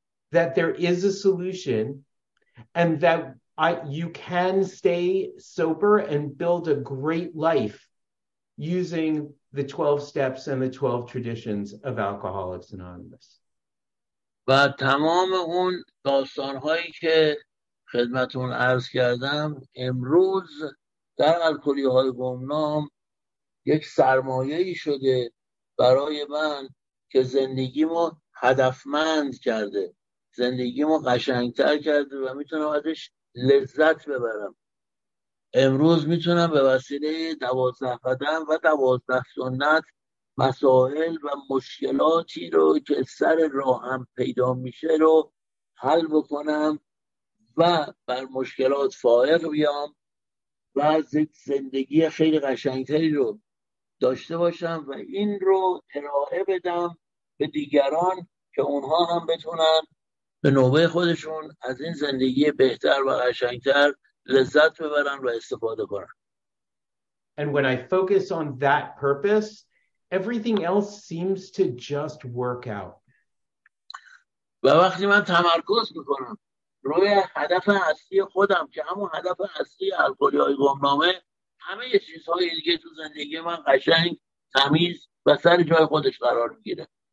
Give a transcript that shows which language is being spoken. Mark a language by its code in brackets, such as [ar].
[en] that there is a solution and that you can stay sober and build a great life using the 12 steps and the 12 traditions of Alcoholics Anonymous. [fa] و تمام اون داستانهایی که خدمتون عرض کردم امروز در الکلی های گمنام یک سرمایه‌ای شده برای من که زندگیمو هدفمند کرده، زندگیمو قشنگتر کرده و میتونم ازش لذت ببرم. امروز میتونم به وسیله 12 قدم و 12 سنت مسائل و مشکلاتی رو که سر راهم پیدا میشه رو حل بکنم و بر مشکلات فائق بیام و از یک زندگی خیلی قشنگتری رو داشته باشم و این رو ارائه بدم به دیگران که اونها هم بتونن به نوبه خودشون از این زندگی بهتر و قشنگتر لذت ببرن و استفاده کنن. [en] And when I focus on that purpose, everything else seems to just work out. [fa] و وقتی من تمرکز میکنم روی هدف اصلی خودم که همون هدف اصلی الکلی های گمنامه، همه چیزهای دیگه تو زندگی من قشنگ، تمیز و سر جای خودش قرار میگیره.